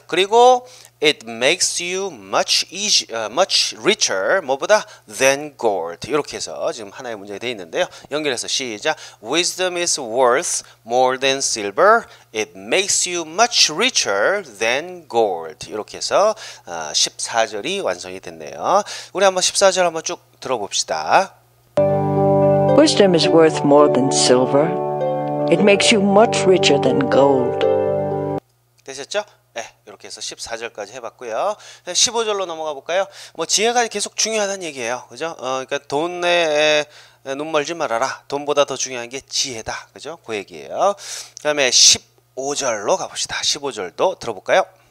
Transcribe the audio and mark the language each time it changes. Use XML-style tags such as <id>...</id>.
<ko>그리고</ko> <en>It makes you much much richer,</en> <ko>뭐보다</ko> <en>than gold.</en> <ko>이렇게 해서 지금 하나의 문제가 되어 있는데요. 연결해서 시작.</ko> <en>Wisdom is worth more than silver. It makes you much richer than gold.</en> <ko>이렇게 해서 14절이 완성이 됐네요. 우리 한번 14절 한번 쭉 들어봅시다.</ko> <en>Wisdom is worth more than silver. It makes you much richer than gold.</en> <ko>되셨죠? 네, 이렇게 해서 14절까지 해봤고요. 15절로 넘어가 볼까요? 뭐 지혜가 계속 중요하다는 얘기예요. 그죠? 그러니까 돈에 눈 멀지 말아라. 돈보다 더 중요한 게 지혜다. 그죠? 그 얘기예요. 그다음에 15절로 가봅시다. 15절도 들어볼까요?</ko>